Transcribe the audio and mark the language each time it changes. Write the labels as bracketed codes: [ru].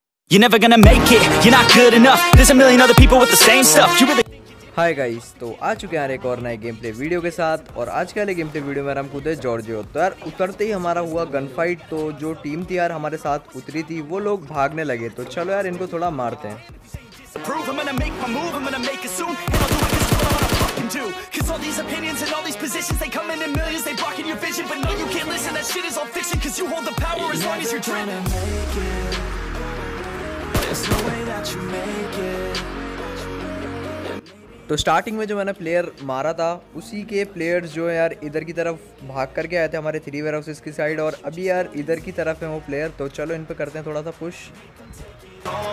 [en] You're never gonna make it, you're not good enough. There's a million other people with the same stuff. You really. [hi] Hi guys, तो आ चुके हैं एक और नए game play video के साथ। और आज के वाले गेम प्ले वीडियो में हम कूदे जॉर्जियो। तो यार उतरते ही हमारा हुआ गन फाइट, तो जो टीम थी यार हमारे साथ उतरी थी वो लोग भागने लगे, तो चलो यार इनको थोड़ा मारते हैं। [en] Cause all these opinions and all these positions, they come in millions, they block in your vision. But no, you can't listen, that shit is all fiction. Cause you hold the power as long as you're dreaming. You're never gonna make it. There's no way that you make it. [hi] तो starting में जो मैंने player मारा था उसी के players जो यार इधर की तरफ भाग करके आए थे हमारे थ्री वेयर हाउसेस की साइड, और अभी यार इधर की तरफ है वो प्लेयर। तो चलो इन पे करते हैं थोड़ा सा पुश।